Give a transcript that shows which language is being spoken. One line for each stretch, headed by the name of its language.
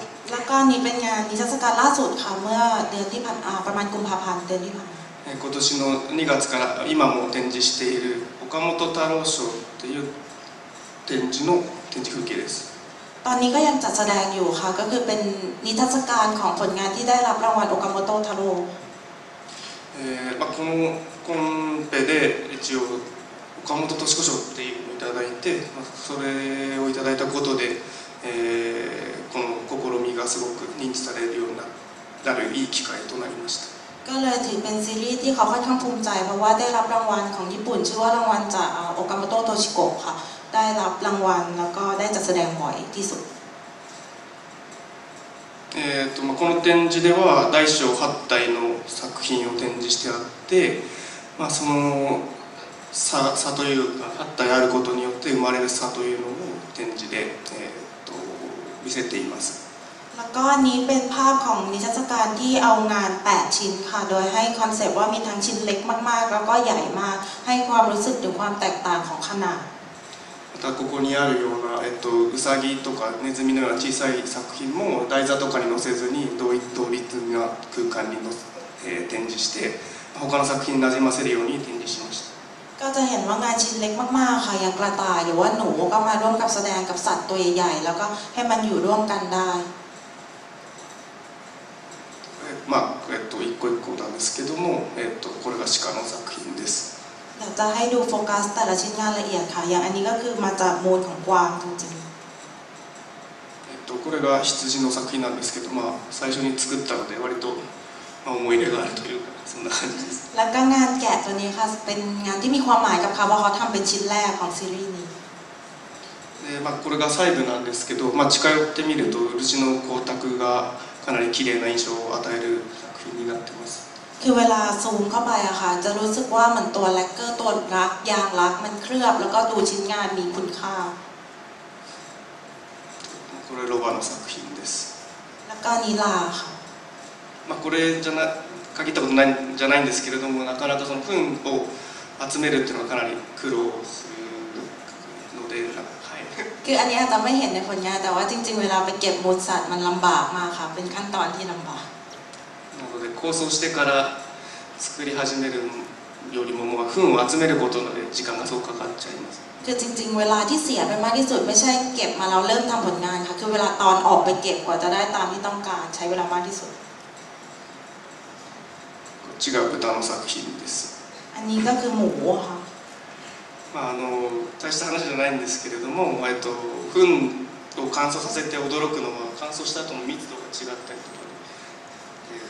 Thai: แล้วก็นี้เป็นงานนิทรรศการล่าสุดค่ะเมื่อเดือนที่ผ่านประมาณกุมภาพันธ์เดือนที่ผ่านมา
Japanese: 今年の2月から今も展示している岡本太郎賞っていう展示風景です
Thai: ตอนนี้ก็ยังจัดแสดงอยู่ค่ะก็คือเป็นนิทรรศการของผลงานที่ได้รับรางวัลโอกาโมโตะทาโร่
Japanese: まあこのコンペで一応岡本敏子賞っていうのをいただいてそれをいただいたことでこの試みがすごく認知されるようになるいい機会となりました
Thai: ก็เลยถือเป็นซีรีส์ที่เขาค่อนข้างภูมิใจเพราะว่าได้รับรางวัลของญี่ปุ่นชื่อว่ารางวัลจากโอกาโมโตะโทชิโกะค่ะได้รับรางวัลแล้วก็ได้จัดแสดงบ่อยที่สุด
Japanese: まあこの展示では大小8体の作品を展示してあってまあその差というか8体あることによってで生まれる差というのも展示で、見せています。
Thai: แล้วก็นี้เป็นภาพของนิทรรศการที่เอางาน8ชิ้นค่ะโดยให้คอนเซ็ปต์ว่ามีทั้งชิ้นเล็กมากๆแล้วก็ใหญ่มากให้ความรู้สึกถึงความแตกต่างของขนาด แล้ว
Japanese: ここにあるようなうさぎとかネズミのような小さい作品も台座とかに載せずに同一な空間に展示して他の作品に馴染ませるように展示しました。
Thai: ก็จะเห็นว่างานชิ้นเล็กมากๆค่ะอย่างกระต่ายหรือว่าหนูก็มาร่วมกับแสดงกับสัตว์ตัวใหญ่แล้วก็ให้มันอยู่ร่วมกันได้
Japanese: まあ一個一個なんですけども、これが鹿の作品です。じゃあ、はい、どうフォーカスしたら、真剣に、か、や、あ、これが、またモードの光と一緒。これが羊の作品なんですけど、まあ最初に作ったので割と、まあ、思い入れがあるというかそんな感じです。
Thai: แล้วก็งานแกะตัวนี้ค่ะเป็นงานที่มีความหมายกับเขาเพราะเขาทำเป็นชิ้นแรกของซีรีส์นี้。
Japanese: で、まあこれが細部なんですけど、まあ近寄ってみると漆の光沢がかなり綺麗な印象を与える作品になってます。
Thai: คือเวลาซูมเข้าไปอะค่ะจะรู้สึกว่ามันตัวแล็กเกอร์ตัวรักยางรักมันเคลือบแล้วก็ดูชิ้นงานมีคุณค่า
Japanese: これロバの作品です。
Thai: แล้วก็นีลาค่ะ
Japanese: まあこれじゃな限ったことないんじゃないんですけれどもなかなかその糞を集めるっていうのはかなり苦労するので
Thai: คืออันนี้อาจจะไม่เห็นในผลงานแต่ว่าจริงๆเวลาไปเก็บมดสัตว์มันลำบากมากค่ะเป็นขั้นตอนที่ลำบาก
Japanese: なので構想してから作り始めるよりももう糞を集めることなので時間がそうかかっちゃいます
Thai: คือจริงๆเวลาที่เสียไปมากที่สุดไม่ใช่เก็บมาแล้วเริ่มทำผลงานค่ะคือเวลาตอนออกไปเก็บกว่าจะได้ตามที่ต้องการใช้เวลามากที่สุด
Japanese: こっちが豚の作品です
Thai: อันนี้ก็คือหมูค่ะ
Japanese: まああの大した話じゃないんですけれども、糞を乾燥させて驚くのは乾燥した後の密度が違ったりとかで、